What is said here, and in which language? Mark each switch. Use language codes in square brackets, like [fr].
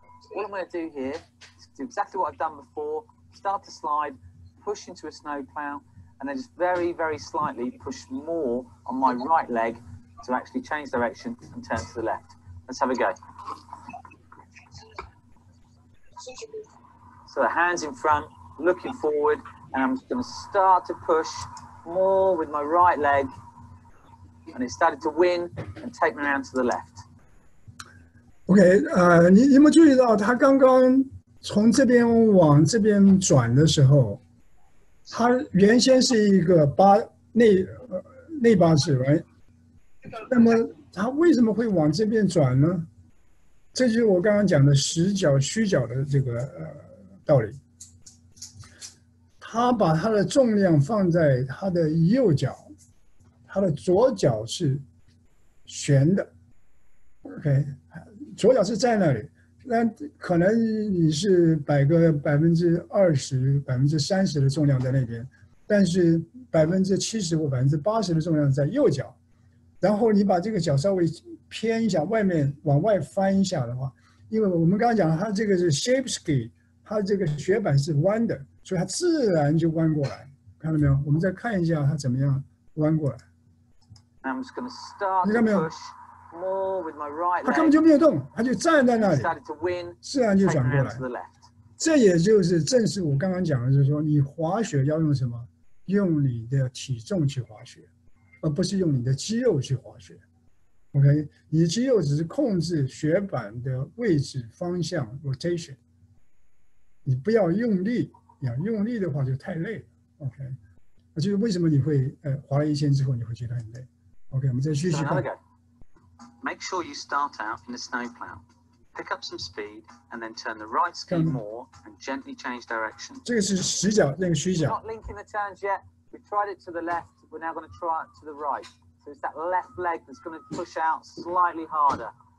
[en] So what I'm going to do here is do exactly what I've done before, start to slide, push into a snow plow, and then just very, very slightly push more on my right leg to actually change direction and turn to the left. Let's have a go. So the hands in front, looking forward, and I'm just going to start to push more with my right leg,And it started to win and take me around to the left. [zh] Okay, 你有没有注意到他刚刚从这边往这边转的时候，他原先是一个内八字 ，right？ 那么他为什么会往这边转呢？这就是我刚刚讲的实脚虚脚的这个道理。他把他的重量放在他的右脚。他的左脚是悬的 ，OK， 左脚是在那里。那可能你是摆个20%、30%的重量在那边，但是70%或80%的重量在右脚。然后你把这个脚稍微偏一下，外面往外翻一下的话，因为我们刚刚讲他这个是 shape ski， 他这个雪板是弯的，所以他自然就弯过来。看到没有？我们再看一下他怎么样弯过来。 [en] I'm just going to start to push more with my right leg. [zh] 他根本就没有动，他就站在那里。 [en] Started to win. [zh] 自然就转过来。这也就是正是我刚刚讲的，就是说你滑雪要用什么？用你的体重去滑雪，而不是用你的肌肉去滑雪。 OK， 你的肌肉只是控制雪板的位置、方向 （rotation）。你不要用力，要用力的话就太累了。 OK。就是为什么你会滑了一圈之后你会觉得很累 ？OK， 我们再继续看。 [en] Make sure you start out in the snow plow, pick up some speed, and then turn the right ski more and gently change direction. [zh] 这个是实脚，那个虚脚。 [en] Not linking the turns yet. We tried it to the left. We're now going to try it to the right. So it's that left leg that's going to push out slightly harder.